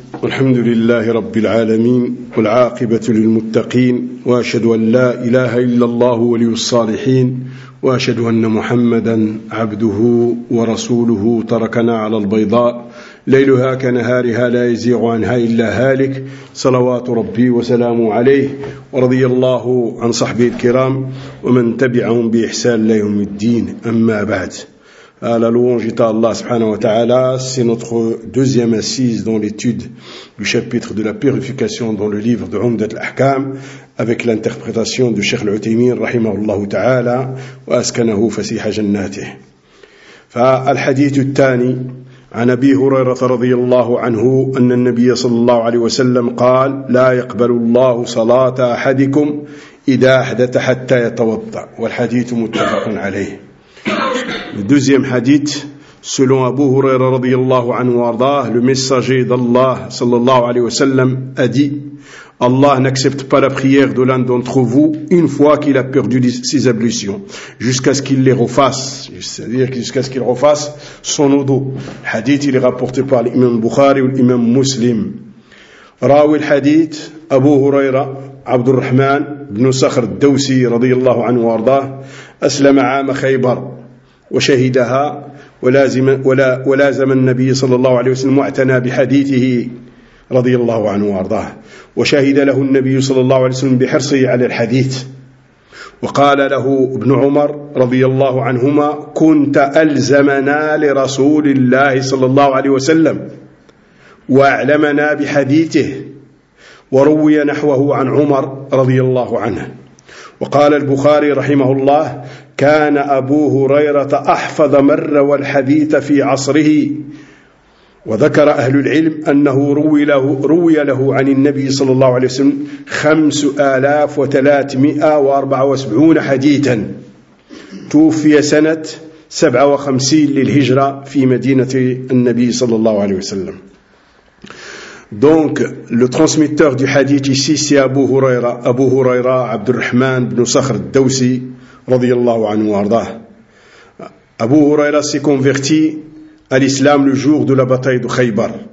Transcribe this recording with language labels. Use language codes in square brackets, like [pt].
[ar] الحمد لله رب العالمين، والعاقبة للمتقين، وأشهد أن لا إله إلا الله ولي الصالحين، وأشهد أن محمدا عبده ورسوله تركنا على البيضاء ليلها كنهارها لا يزيغ عنها إلا هالك، صلوات ربي وسلامه عليه، ورضي الله عن صحبه الكرام ومن تبعهم بإحسان ليوم الدين. أما بعد، [fr] à la louange est à Allah subhanahu wa ta'ala. C'est notre deuxième assise dans l'étude du chapitre de la purification dans le livre de Umdat al-Ahkam, avec l'interprétation du Cheikh al-Utaymin [ar] rahimahullahu ta'ala wa askanahu fasiha jannatih. Fa al-hadith al-tani عن أبي هريرة رضي الله عنه أن النبي صلى الله عليه وسلم قال: لا يقبل الله صلاة أحدكم إذا أحدث حتى يتوضأ. والحديث متفق عليه. [fr] Le deuxième hadith, selon Abu Huraira radiyallahu anhu arda, le messager d'Allah sallallahu alayhi wa sallam a dit: Allah n'accepte pas la prière de l'un d'entre vous une fois qu'il a perdu ses ablutions, jusqu'à ce qu'il les refasse, c'est-à-dire jusqu'à ce qu'il refasse son wudu. Hadith, il est rapporté par l'imam Bukhari ou l'imam Muslim. [ar] Rawi al-hadith, Abu Huraira Abdurrahman ibn Sakhr al-Dawsi radiyallahu anhu arda, أسلم عام خيبر وشهدها ولازم النبي صلى الله عليه وسلم واعتنى بحديثه رضي الله عنه وارضاه، وشهد له النبي صلى الله عليه وسلم بحرصه على الحديث، وقال له ابن عمر رضي الله عنهما: كنت ألزمنا لرسول الله صلى الله عليه وسلم وأعلمنا بحديثه وروي نحوه عن عمر رضي الله عنه. وقال البخاري رحمه الله: كان أبو هريرة أحفظ من روى الحديث في عصره. وذكر أهل العلم أنه روي له عن النبي صلى الله عليه وسلم 5374 حديثا. توفي سنة 57 للهجرة في مدينة النبي صلى الله عليه وسلم. [fr] Donc, le transmetteur du hadith ici, c'est Abu Huraira. Abu Huraira, Abdurrahman ibn Sakhr al-Dawsi, radiyallahu anhu wa arda. Abu Huraira s'est converti à l'islam le jour de la bataille de Khaybar.